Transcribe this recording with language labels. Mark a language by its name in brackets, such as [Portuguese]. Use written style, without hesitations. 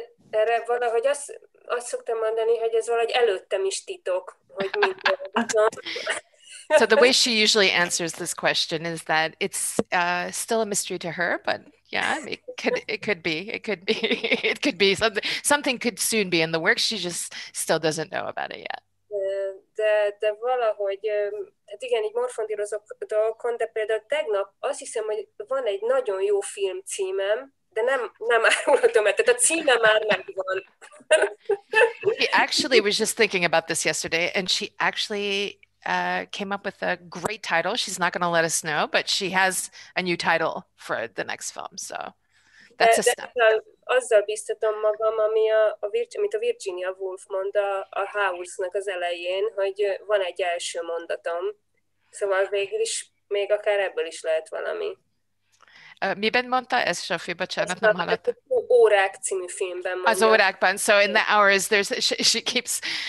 [Hungarian] Erre valahogy azt szoktam mondani, hogy ez valahogy előttem is titok, hogy mit dolgozom. [English] So the way she usually answers this question is that it's still a mystery to her, but yeah, it could be something could soon be in the works. She just still doesn't know about it yet. [Hungarian] De valahogy, hát igen, így morfondírozok dolgokon, de például tegnap azt hiszem, hogy van egy nagyon jó film címem, de nem árulhatom el, tehát a címe már megvan. [English] She actually was just thinking about this yesterday, and she actually came up with a great title. She's not going to let us know, but she has a new title for the next film, so that's a step. [Hungarian] Azzal biztatom magam, amit a Virginia Woolf mond a House-nak az elején, hogy van egy első mondatom. Szóval végül is, még akár ebből is lehet valami. Miben mondta ez, Sofi? Bocsánat, nem hallott. Órák című filmben mondja. Az Órákban. [English] So in the Hours, she keeps...